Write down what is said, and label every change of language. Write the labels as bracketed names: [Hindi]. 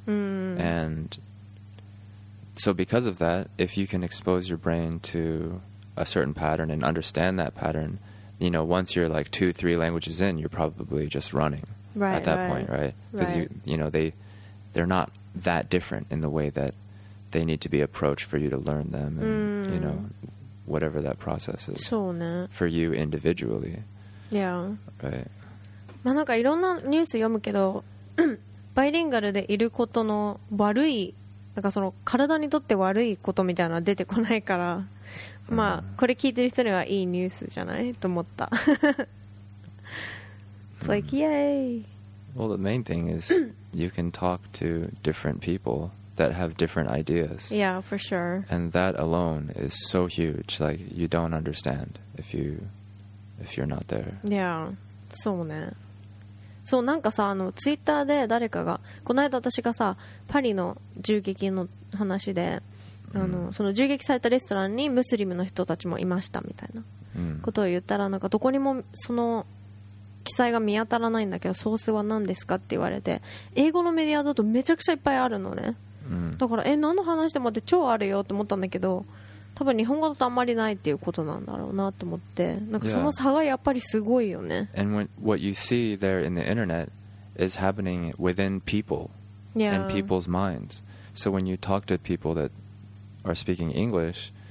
[English] And so because of that, if you can expose your brain to a certain pattern and understand that pattern, you know, once you're like 2-3 languages in, you're probably just running right, at that right. point, right? Because right. you know, they're not that different in the way that they need to be approached for you to learn them and, you know, whatever that process is [Japanese] そうね。 [English] for you individually. Yeah. Right. [Japanese] まあ、なんかいろんなニュース読むけどバイリンガルでいることの悪いなんかその体にとって悪いことみたいなのは出てこないからまあこれ聞いてる人にはいいニュースじゃないと思った [English] It's like yay Well the main thing is you can talk to different people that have different ideas Yeah for sure And that alone is so huge like you don't understand if you're not there [Japanese] Yeah そうねそうなんかさあのツイッターで誰かがこの間私がさパリの銃撃の話で、あのその銃撃されたレストランにムスリムの人たちもいましたみたいなことを言ったらなんかどこにもその記載が見当たらないんだけどソースは何ですかって言われて英語のメディアだとめちゃくちゃいっぱいあるのね、だからえ何の話でもって超あるよって思ったんだけど多分日本語だとあんまりないっていうことなんだろうなと思って、なんかその差がやっぱりすごいよね。 [English] Yeah. And what you see there in the internet is happening within people and people's minds. So when you talk to people that are speaking English,